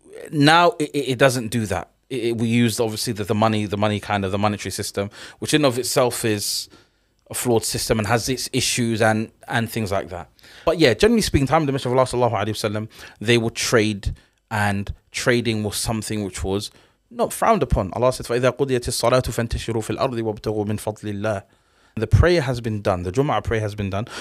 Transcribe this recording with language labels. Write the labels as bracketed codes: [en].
[en] Now it doesn't do that. We use obviously the monetary system, which in of itself is a flawed system and has its issues and things like that. But yeah, generally speaking, time of the Messenger of Allah sallallahu alaihi wasallam, they would trade, and trading was something which was not frowned upon. Allah said, [ar] فَإِذَا قُضِيَتِ الصَّلَاةُ فَانْتَشِرُوا فِي الْأَرْضِ وَابْتَغُوا مِنْ فَضْلِ اللَّهِ. [en] The prayer has been done. The Jumu'ah prayer has been done.